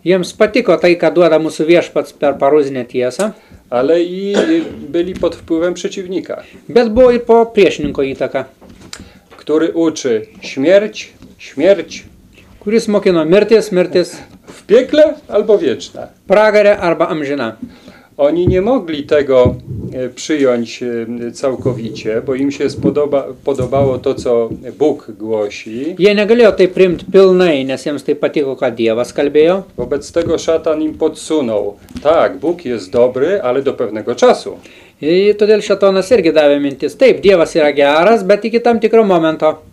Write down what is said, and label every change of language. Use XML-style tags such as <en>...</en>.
<lt>Jiems patiko tai, ką duoda mūsų viešpats per paruzinę tiesą.</lt> <pl>Ale i byli pod wpływem przeciwnika.</pl> <lt>Bet buvo ir po priešininko įtaka.</lt> <pl>Który uczy śmierć. Śmierć.</pl> <lt>Kuris mokino mirtis, mirtis.</lt> <pl>W piekle albo wieczna.</pl> <lt>Pragare arba amžina.</lt> <pl>Oni nie mogli tego przyjąć całkowicie, bo im się podobało to, co Bóg głosi.</pl> <lt>Jie negalėjo tai priimt pilnai, nes jiems tai patiko, ką Dievas kalbėjo.</lt> <pl>Wobec tego szatan im podsunął. Tak, Bóg jest dobry, ale do pewnego czasu.</pl> <lt>I todėl šatonas irgi davė mintis. Taip, Dievas yra geras, bet iki tam tikro momento.</lt>